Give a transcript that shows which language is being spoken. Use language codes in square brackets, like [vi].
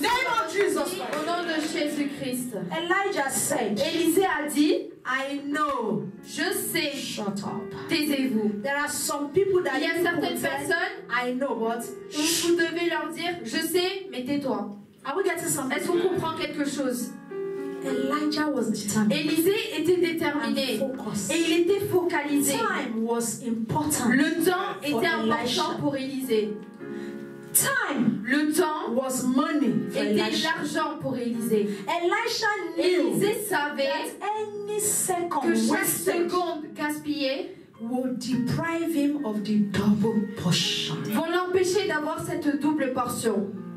[en] Name of Jesus. [fr] Au nom de Jésus Christ. [en] Elijah said. [fr] Élisée a dit. [en] I know. [fr] Je sais. [en] Shut up. [fr] Taisez-vous. [en] There are some people that [fr] il y a certaines personnes. [en] I know what. [fr] Vous devez leur dire. Je sais. Mais tais-toi. [en] Are we getting something? [fr] Est-ce qu'on comprend quelque chose? [en] Elijah was determined. [fr] Élisée était déterminé et il était focalisé. [en] Time was important. [fr] Le temps était important pour Élisée. [en] Time [fr] le temps [en] was money for [fr] était [en] Elijah. [fr] L'argent pour Élisée. [en] Elisha knew. [fr] Élisée savait [en] any second [fr] que chaque seconde gaspillée [en] would deprive him of the double portion. [fr] Vont l'empêcher d'avoir cette double portion.